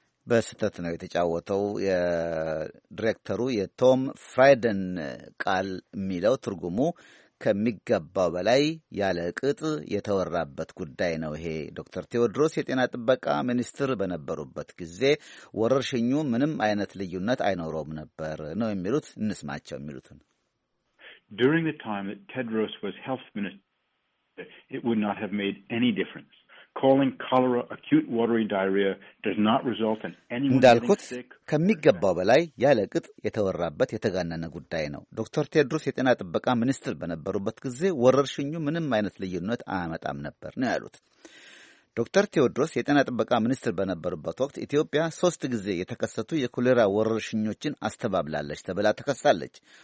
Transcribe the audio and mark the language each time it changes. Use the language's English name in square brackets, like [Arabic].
[Amharic] በስህተት ነው የተጫወተው። የዲሬክተሩ የቶም ፍራይደን ቃል የሚለው ትርጉሙ ከሚገባው በላይ ያለ ቅጥ የተወራበት ጉዳይ ነው። ይሄ ዶክተር ቴዎድሮስ የጤና ጥበቃ ሚኒስትር በነበሩበት ጊዜ ወረርሽኙ ምንም አይነት ልዩነት አይኖረውም ነበር ነው የሚሉት። እንስማቸው የሚሉትን። [English] During the time that Tedros was health minister, it would not have made any difference. Calling cholera acute watery diarrhea does not result in anyone getting sick. [Amharic] ከሚገባው በላይ ያለ ቅጥ የተወራበት የተጋነነ ጉዳይ ነው። ዶክተር ቴድሮስ የጤና ጥበቃ ሚኒስትር በነበሩበት ጊዜ ወረርሽኙ ምንም አይነት ልዩነት አያመጣም ነበር ነው ያሉት። ዶክተር ቴዎድሮስ የጤና ጥበቃ ሚኒስትር በነበሩበት ወቅት ኢትዮጵያ 3 ጊዜ የተከሰቱ የኮሌራ ወረርሽኞችን አስተባብላለች ተብላ ተከሳለች።